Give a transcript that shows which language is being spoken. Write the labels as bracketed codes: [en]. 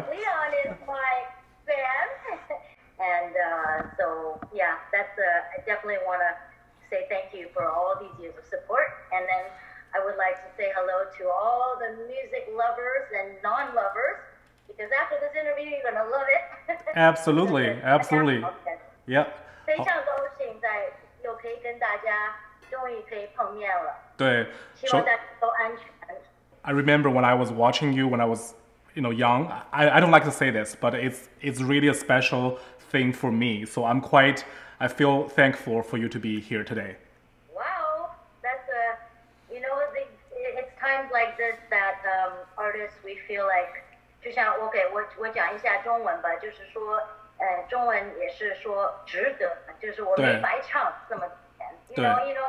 [en] Leon is my fan, and so. Definitely want to say thank you for all these years of support. And then I would like to say hello to all the music lovers and non-lovers, because after this interview, you're going to love it. Absolutely, absolutely. Yeah. [zh] 非常高兴在又可以跟大家终于可以碰面了。对。希望大家都安全。 [en] I remember when I was watching you when I was, you know, young. I don't like to say this, but it's really a special thing for me. So I'm quite... I feel thankful for you to be here today. Wow, that's a, you know, it's times like this that artists, we feel like, [zh] 就像 OK, 我讲一下中文吧，就是说，中文也是说值得，就是我没白唱这么多年。